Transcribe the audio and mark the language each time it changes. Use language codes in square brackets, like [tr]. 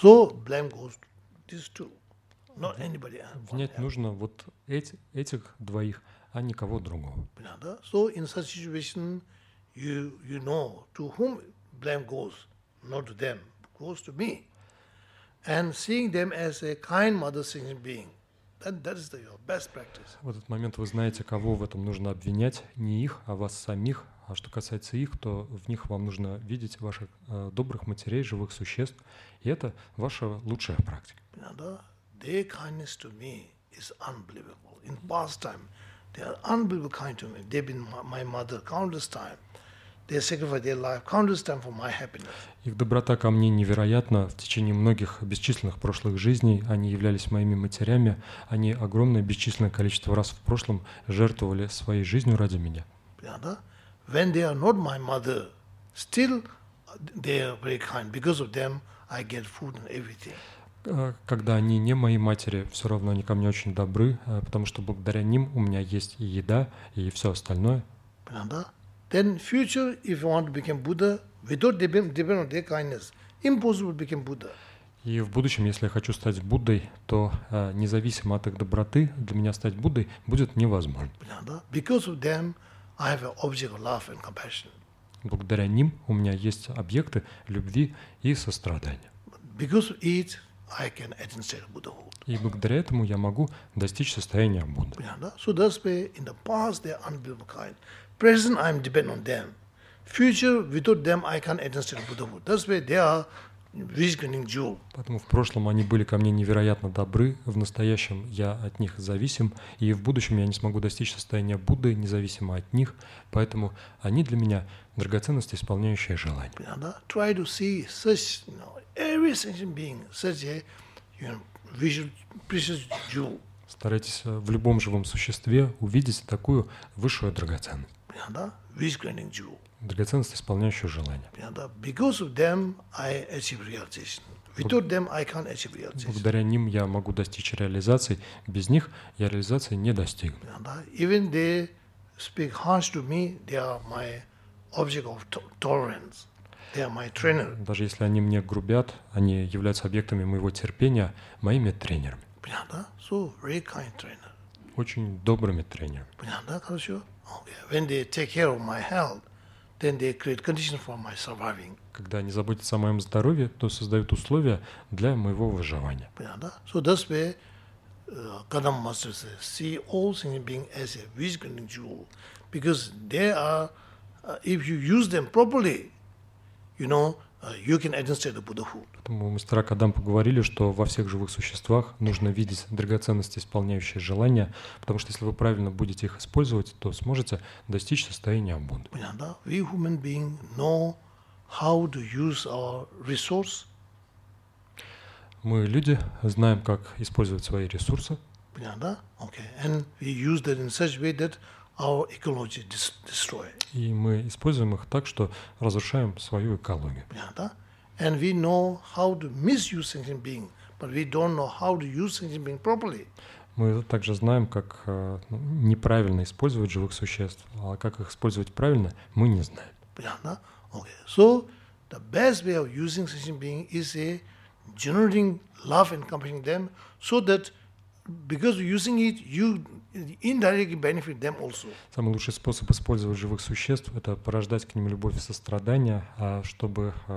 [en] So blame goes to these two, not anybody else. [ru] Внять нужно вот этих двоих, а никого другого. Понятно, да? [en] So in such situation, you know to whom blame goes, not to them, goes to me. And seeing them as a kind mother sentient being, then that is your best practice. [ru] В этот момент вы знаете, кого в этом нужно обвинять, не их, а вас самих. А что касается их, то в них вам нужно видеть ваших добрых матерей, живых существ. И это ваша лучшая практика. Да? [en] Their kindness to me is unbelievable. In past time, they are unbelievable kind to me. They've been my mother countless times. They sacrifice their life countless times for my happiness. [ru] Их доброта ко мне невероятна. В течение многих бесчисленных прошлых жизней они являлись моими матерями. Они огромное бесчисленное количество раз в прошлом жертвовали своей жизнью ради меня. Понятно, да? [en] When they are not my mother, still they are very kind. Because of them, I get food and everything. [ru] Когда они не мои матери, все равно они ко мне очень добры, потому что благодаря ним у меня есть и еда, и все остальное. Понятно, да? [en] Then future, if you want to become Buddha, without depend on their kindness, impossible to become Buddha. [ru] И в будущем, если я хочу стать Буддой, то независимо от их доброты, для меня стать Буддой будет невозможно. Понятно, да? [en] Because of them, I have an object of love and compassion. [ru] Благодаря ним у меня есть объекты любви и сострадания. [en] Because of it, I can attain state of Buddhahood. [ru] И благодаря этому я могу достичь состояния Будды. Понятно, да? [en] So that's why in the past they are unbelievable kind. Present, I'm dependent on them. Future, without them, I can't attain state of Buddhahood. That's why they are rich-gaining jewel. [ru] Поэтому в прошлом они были ко мне невероятно добры, в настоящем я от них зависим, и в будущем я не смогу достичь состояния Будды, независимо от них. Поэтому они для меня драгоценности, исполняющие желания. Понятно, да? [en] Try to see such, you know, every sentient being, such a, you know, precious jewel. [ru] Старайтесь в любом живом существе увидеть такую высшую драгоценность. Понятно, да? [en] Wish-granting jewel. [ru] Драгоценность, исполняющая желание. Понятно, да? [en] Because of them I achieve realization. Without them I can't achieve realization. [ru] Благодаря ним я могу достичь реализации. Без них я реализации не достигну. Понятно, да? [en] Even they speak harsh to me, they are my object of tolerance. They are my trainer. [ru] Даже если они мне грубят, они являются объектами моего терпения, моими тренерами. Понятно, да? [en] So very kind trainer. [ru] Очень добрыми тренерами. Понятно, да? Хорошо. [en] Okay. When they take care of my health, then they create conditions for my surviving. [ru] Когда они заботятся о моем здоровье, то создают условия для моего выживания. Понятно, да? [en] So that's why Kadam Master says, see all sentient beings as a wish-granting jewel, because they are if you use them properly, you know, you can identify the Buddhahood. [ru] Поэтому мастера Кадампа говорили, что во всех живых существах нужно видеть драгоценности, исполняющие желания, потому что если вы правильно будете их использовать, то сможете достичь состояния Будды. Понятно? [en] We human beings know how to use our resource. [ru] Мы, люди, знаем, как использовать свои ресурсы. Понятно? [en] Okay. And we use that in such way that our ecology destroy. [ru] И мы используем их так, что разрушаем свою экологию. Понятно? [en] And we know how to misuse sentient being, but we don't know how to use sentient being properly. [ru] Мы также знаем, как неправильно использовать живых существ, а как их использовать правильно, мы не знаем. Понятно? [en] Okay. So the best way of using sentient being is a generating love and compassion them, so that because using it, you indirectly benefit them also. [ru] Самый лучший способ использовать живых существ – это порождать к ним любовь и сострадание, чтобы.